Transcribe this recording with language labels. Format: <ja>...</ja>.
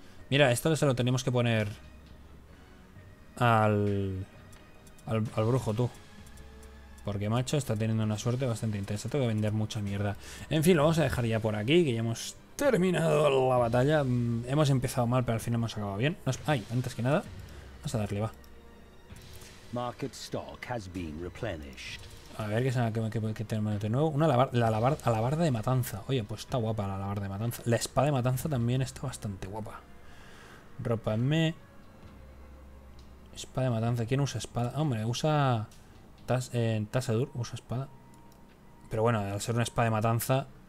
<es>Mira, esto se lo tenemos que poner al brujo, tú. Porque macho, está teniendo una suerte bastante intensa. Tengo que vender mucha mierda. En fin, lo vamos a dejar ya por aquí, que ya hemos terminado la batalla. Hemos empezado mal, pero al final hemos acabado bien. Ay, antes que nada, vamos a darle, va.</es> <en>Market stock has been replenished.</en> <es>A ver, ¿qué tenemos de nuevo? La alabarda de matanza. Oye, pues está guapa la alabarda de matanza. La espada de matanza también está bastante guapa. Ropa en me. Espada de matanza. ¿Quién usa espada? Ah, hombre, usa... Tassadur usa espada. Pero bueno, al ser una espada de matanza...</es>